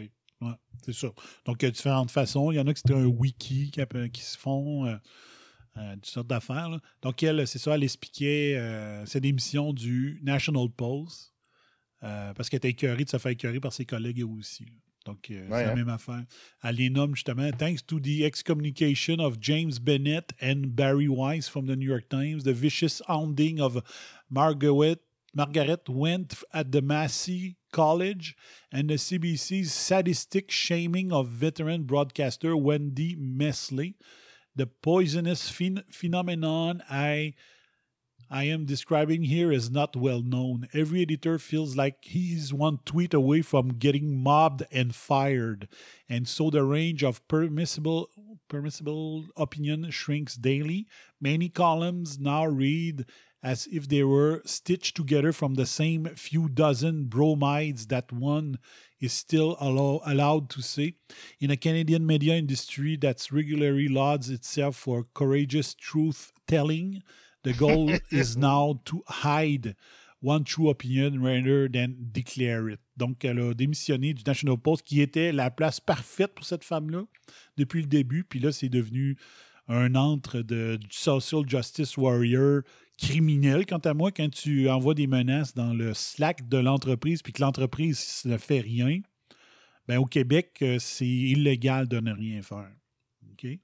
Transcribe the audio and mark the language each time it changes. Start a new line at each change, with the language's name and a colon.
French: OK. Ouais, c'est ça. Donc, il y a différentes façons. Il y en a qui c'est un wiki qui se font, toutes sortes d'affaires, là. Donc, elle, c'est ça, elle expliquait cette émission du National Post. Parce qu'elle était écœurée de se faire écœurer par ses collègues aussi. Là. Donc, ouais, c'est la même affaire. Elle les nomme justement.
English: Thanks to the excommunication of James Bennett and Barry Weiss from the New York Times, the vicious hounding of Margaret Went at the Massey College and the CBC's sadistic shaming of veteran broadcaster Wendy Messley, the poisonous phenomenon I am describing here is not well known. Every editor feels like he's one tweet away from getting mobbed and fired. And so the range of permissible opinion shrinks daily. Many columns now read as if they were stitched together from the same few dozen bromides that one is still allowed to see. In a Canadian media industry that's regularly lauds itself for courageous truth-telling, the goal is now to hide one true opinion rather than declare it.
French: Donc, elle a démissionné du National Post, qui était la place parfaite pour cette femme-là depuis le début. Puis là, c'est devenu un antre de
English: social justice warrior
French: criminel. Quant à moi, quand tu envoies des menaces dans le Slack de l'entreprise puis que l'entreprise ne fait rien, ben au Québec, c'est illégal de ne rien faire. Okay.